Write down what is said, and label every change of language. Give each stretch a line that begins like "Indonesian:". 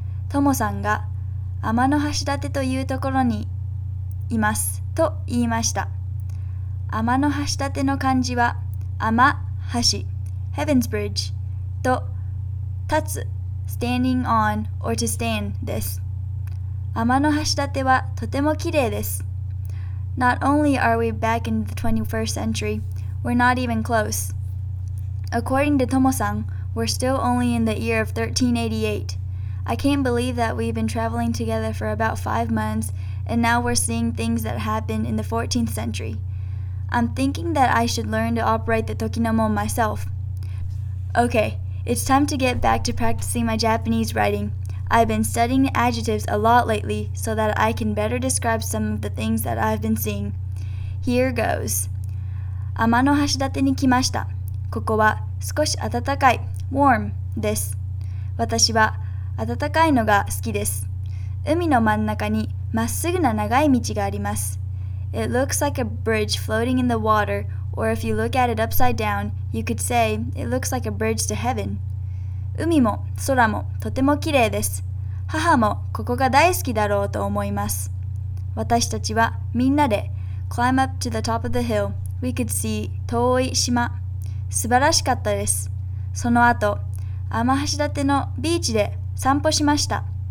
Japanese: ともさんが天の橋立というところにいますと言いました。天の橋立の漢字は天橋
English: Heaven's Bridge
Japanese: と立つ
English: Standing on or to stand
Japanese: です。天の橋立はとても綺麗です。
English: Not only are we back in the 21st century, we're not even close. According to Tomo-san, we're still only in the year of 1388. I can't believe that we've been traveling together for about 5 months, and now we're seeing things that happened in the 14th century. I'm thinking that I should learn to operate the Tokinomon myself. Okay, it's time to get back to practicing my Japanese writing. I've been studying adjectives a lot lately so that I can better describe some of the things that I've been seeing. Here goes.
Japanese: 天の橋立に来ました。ここは少し暖かい、warm です。私は暖かいのが好きです。海の真ん中にまっすぐな長い道があります。
English: It looks like a bridge floating in the water, or if you look at it upside down, you could say it looks like a bridge to heaven.
Japanese: 海も空もとても綺麗です。母もここが大好きだろうと思います。私たちはみんなで
English: climb up to the top of the hill. We could see
Japanese: 遠い島。素晴らしかったです。その後、天橋立のビーチで散歩しました。